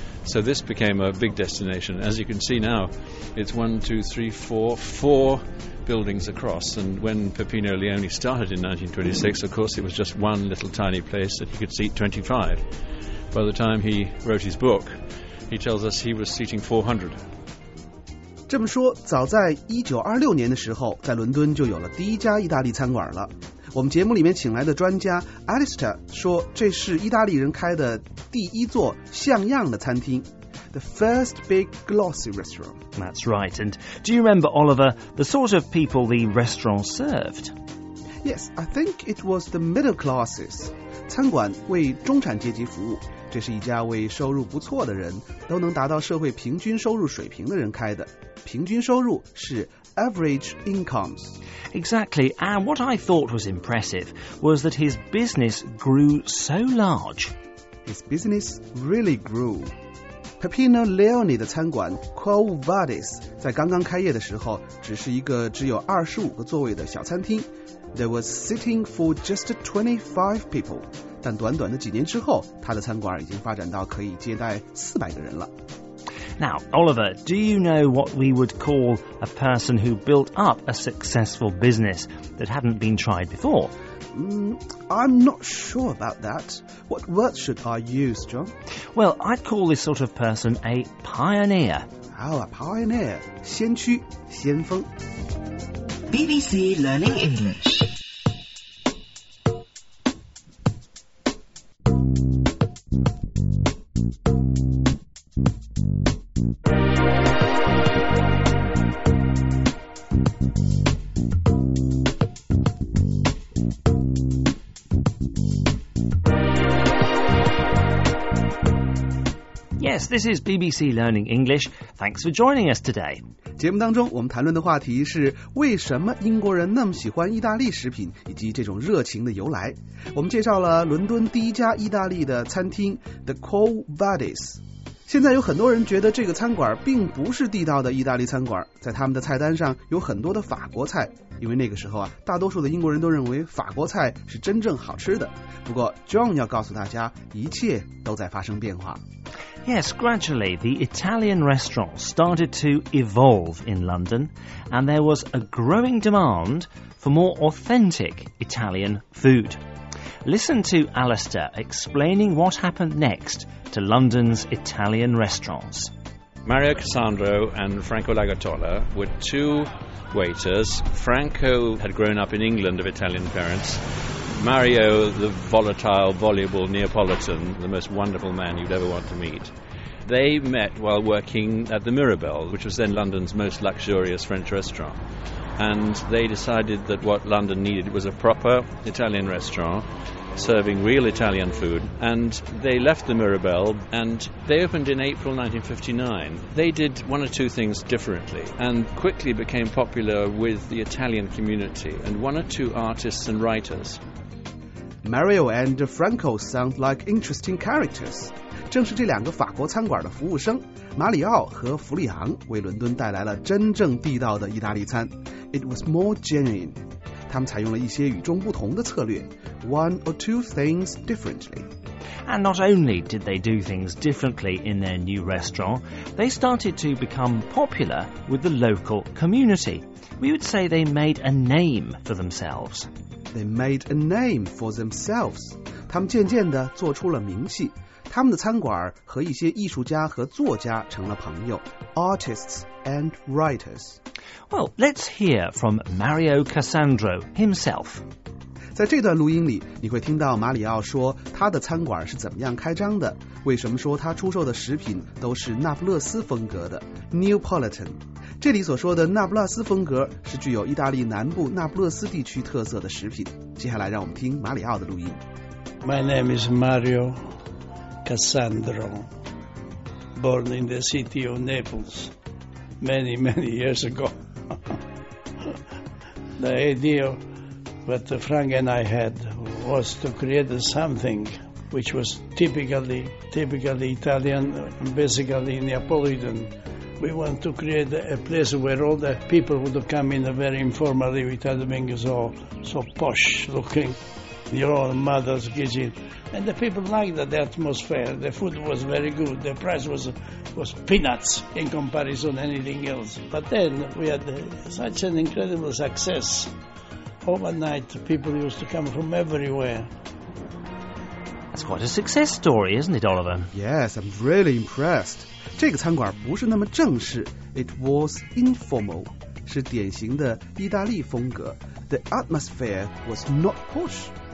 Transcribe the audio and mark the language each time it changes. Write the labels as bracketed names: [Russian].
[English] So this became a big destination. As you can see now, it's 1, 2, 3, 4 buildings across. And when Peppino Leoni started in 1926, of course, it was just one little tiny place that he could seat 25. By the time he wrote his book, he tells us he was seating 400. [Chinese] 这么说，早在1926年的时候，在伦敦就有了第一家意大利餐馆了。我们节目里面请来的专家 Alistair 说，这是意大利人开的第一座像样的餐厅 ， [English] the first big glossy restaurant. That's right. And do you remember, Oliver, the sort of people the restaurant served? Yes, I think it was the middle classes. [Chinese] 餐馆为中产阶级服务。这是一家为收入不错的人都能达到社会平均收入水平的人开的。平均收入是 [English] average incomes. Exactly, and what I thought was impressive was that his business grew so large. His business really grew. [Chinese] Peppino Leoni 的餐馆 Quo Vadis 在刚刚开业的时候只是一个只有25个座位的小餐厅。 [English] There was sitting for just 25 people. [Chinese] 但短短的几年之后，他的餐馆已经发展到可以接待400个人了。 [English] Now, Oliver, do you know what we would call a person who built up a successful business that hadn't been tried before? I'm not sure about that. What word should I use, John? Well, I'd call this sort of person a pioneer. Oh, a pioneer. [Chinese] 先驱，先锋。 [English] BBC Learning English. Yes, this is BBC Learning English. Thanks for joining us today. [Chinese] 节目当中我们谈论的话题是为什么英国人那么喜欢意大利食品以及这种热情的由来。我们介绍了伦敦第一家意大利的餐厅 The Cold Buddies。现在有很多人觉得这个餐馆并不是地道的意大利餐馆，在他们的菜单上有很多的法国菜，因为那个时候啊，大多数的英国人都认为法国菜是真正好吃的。不过 John 要告诉大家，一切都在发生变化。 [English] Yes, gradually the Italian restaurants started to evolve in London, and there was a growing demand for more authentic Italian food. Listen to Alistair explaining what happened next to London's Italian restaurants. Mario Cassandro and Franco Lagatola were two waiters. Franco had grown up in England of Italian parents. Mario, the volatile, voluble Neapolitan, the most wonderful man you'd ever want to meet. They met while working at the Mirabelle, which was then London's most luxurious French restaurant. And they decided that what London needed was a proper Italian restaurant serving real Italian food. And they left the Mirabelle and they opened in April 1959. They did one or two things differently and quickly became popular with the Italian community and one or two artists and writers. Mario and Franco sound like interesting characters. [Chinese] 正是这两个法国餐馆的服务生，马里奥和弗里昂，为伦敦带来了真正地道的意大利餐。 [English] It was more genuine. [Chinese] 他们采用了一些与众不同的策略。 [English] One or two things differently. And not only did they do things differently in their new restaurant, they started to become popular with the local community. We would say they made a name for themselves. They made a name for themselves. [Chinese] 他们渐渐地做出了名气。他们的餐馆和一些艺术家和作家成了朋友。 [English] Artists and writers. Well, let's hear from Mario Cassandro himself. [Chinese] 在这段录音里，你会听到马里奥说他的餐馆是怎么样开张的，为什么说他出售的食品都是那不勒斯风格的 Neapolitan。这里所说的那不勒斯风格是具有意大利南部那不勒斯地区特色的食品。接下来让我们听马里奥的录音。 [English] My name is Mario Cassandro, born in the city of Naples many, many years ago. The idea that Frank and I had was to create something which was typically Italian, basically Neapolitan. We want to create a place where all the people would come in very informally without being so posh looking. Your own mother's kitchen. And the people liked the atmosphere. The food was very good. The price was peanuts in comparison to anything else. But then we had such an incredible success. Overnight, people used to come from everywhere. That's quite a success story, isn't it, Oliver? Yes, I'm really impressed. [Chinese] 这个餐馆不是那么正式。 [English] It was informal. [Chinese] 是典型的意大利风格。 [English] The atmosphere was not posh.